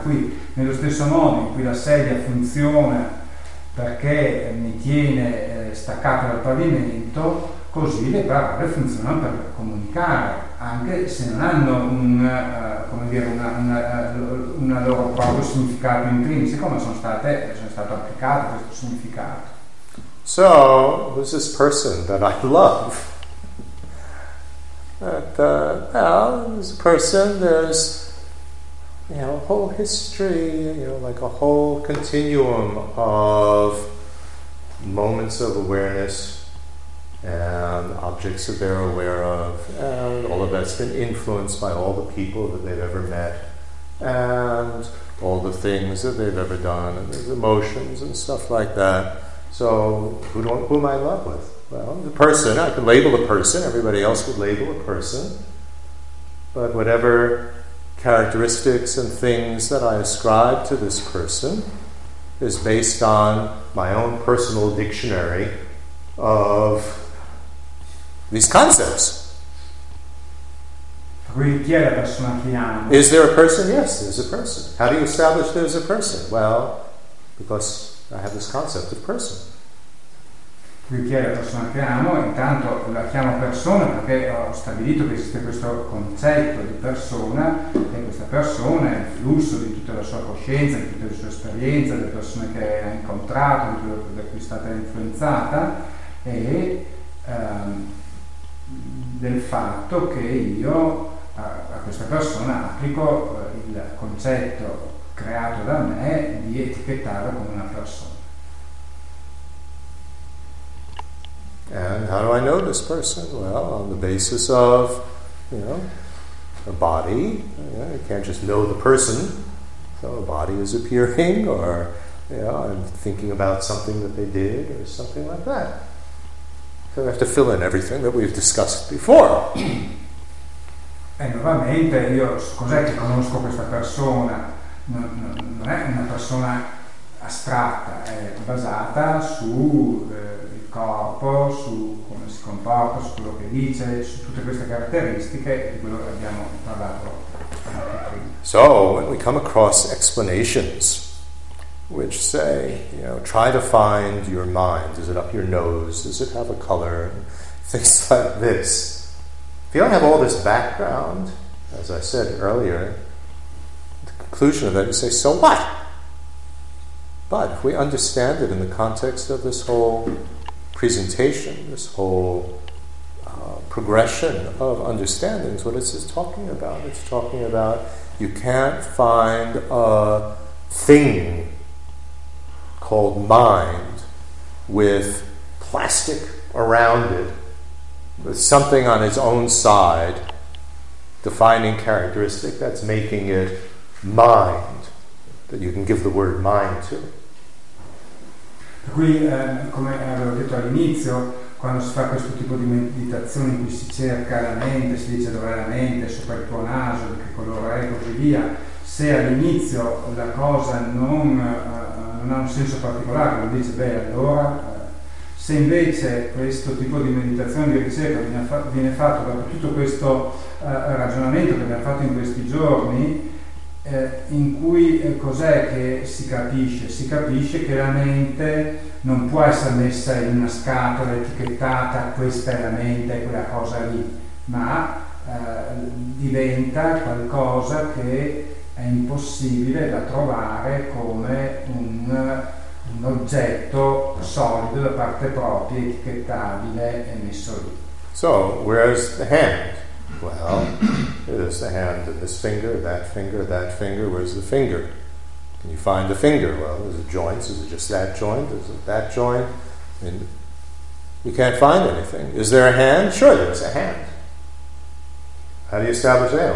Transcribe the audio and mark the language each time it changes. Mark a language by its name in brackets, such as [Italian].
[Italian] Qui, nello stesso modo in cui la sedia funziona perché mi tiene staccato dal pavimento, così le parole funzionano per comunicare, anche se non hanno una loro proprio significato intrinseco, ma sono state applicate questo significato. [English] So, who's this person that I love? This person, there's, you know, a whole history, you know, like a whole continuum of moments of awareness and objects that they're aware of, and all of that's been influenced by all the people that they've ever met and all the things that they've ever done and their emotions and stuff like that. So who am I in love with? Well, the person, I can label the person, everybody else would label a person, but whatever characteristics and things that I ascribe to this person is based on my own personal dictionary of these concepts. Is there a person? Yes, there's a person. How do you establish there's a person? Well, because I have this concept of person. [Italian] Qui chi è la persona che amo, intanto la chiamo persona perché ho stabilito che esiste questo concetto di persona, e questa persona è il flusso di tutta la sua coscienza, di tutta la sua esperienza, delle persone che ha incontrato, di cui è stata influenzata, e del fatto che io a questa persona applico il concetto creato da me di etichettarla come una persona. [English] And how do I know this person? Well, on the basis of, you know, a body. You can't just know the person. So a body is appearing, or, you know, I'm thinking about something that they did, or something like that. So I have to fill in everything that we've discussed before. [Italian] E nuovamente, io cos'è che conosco questa persona? Non è una persona astratta, è basata su il corpo, su come si comporta, su quello che dice, su tutte queste caratteristiche di quello che abbiamo parlato prima. [English] So when we come across explanations which say, you know, try to find your mind, is it up your nose, does it have a color, things like this, if you don't have all this background, as I said earlier, the conclusion of that, you say, so what? But if we understand it in the context of this whole presentation, this whole progression of understandings, what is this talking about? It's talking about you can't find a thing called mind with plastic around it, with something on its own side, defining characteristic that's making it mind, that you can give the word mind to. [Italian] Per cui, come avevo detto all'inizio, quando si fa questo tipo di meditazione in cui si cerca la mente, si dice dov'è la mente, sopra il tuo naso, di che colore è, così via, se all'inizio la cosa non ha un senso particolare, come dice, beh, allora... Se invece questo tipo di meditazione, di ricerca viene fatto dopo tutto questo ragionamento che abbiamo fatto in questi giorni, in cui cos'è che si capisce? Si capisce che la mente non può essere messa in una scatola etichettata, questa è la mente, quella cosa lì, ma diventa qualcosa che è impossibile da trovare come un oggetto solido da parte propria, etichettabile e messo lì. [English] So, where's the hand? Well, there's the hand of this finger, that finger, that finger. Where's the finger? Can you find the finger? Well, is it joints? Is it just that joint? Is it that joint? And you can't find anything. Is there a hand? Sure, there's a hand. How do you establish that?